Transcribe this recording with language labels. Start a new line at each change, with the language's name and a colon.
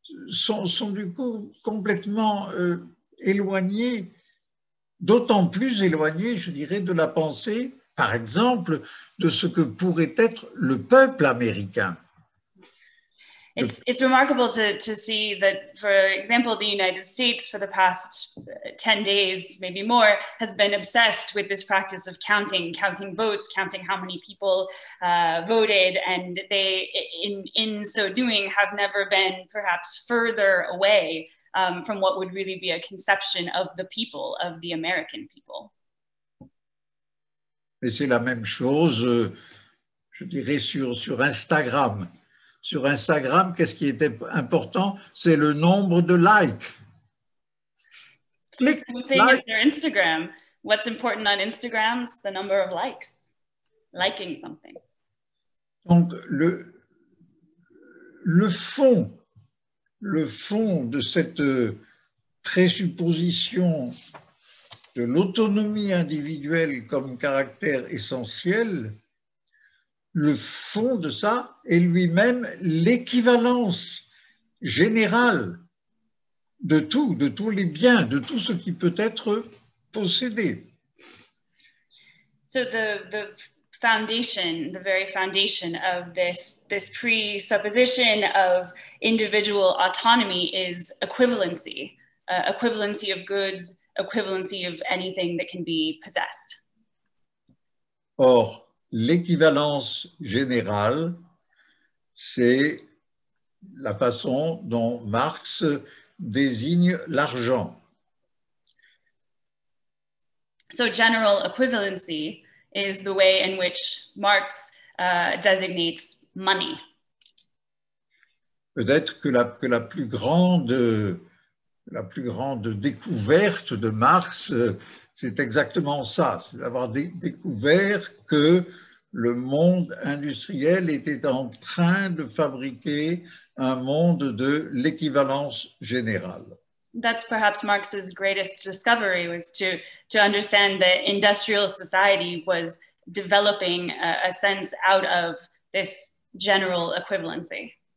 French: Sont du coup complètement éloignés, d'autant plus éloignés, je dirais, de la pensée, par exemple, de ce que pourrait être le peuple américain.
English: It's remarkable to see that, for example, the United States for the past 10 days, maybe more, has been obsessed with this practice of counting votes, counting how many people voted, and they, in so doing, have never been perhaps further away from what would really be a conception of the people, of the American people.
French: Mais c'est la même chose, je dirais, sur Instagram. Sur Instagram, qu'est-ce qui était important? C'est le nombre de likes.
English: Click, same thing like. As their Instagram. What's important on Instagram is the number of likes. Liking something.
French: Donc, le fond de cette présupposition de l'autonomie individuelle comme caractère essentiel, le fond de ça est lui-même l'équivalence générale de tout, de tous les biens, de tout ce qui peut être possédé.
English: So the foundation, the very foundation of this presupposition of individual autonomy is equivalency, equivalency of goods, equivalency of anything that can be possessed.
French: Or, l'équivalence générale, c'est la façon dont Marx désigne l'argent.
English: So general equivalency is the way in which Marx designates money.
French: Peut-être que la plus grande découverte de Marx, c'est exactement ça, c'est d'avoir découvert que le monde industriel était en train de fabriquer un monde de l'équivalence générale.
English: That's perhaps Marx's greatest discovery, was to understand that industrial society was developing a sense out of this general equivalency.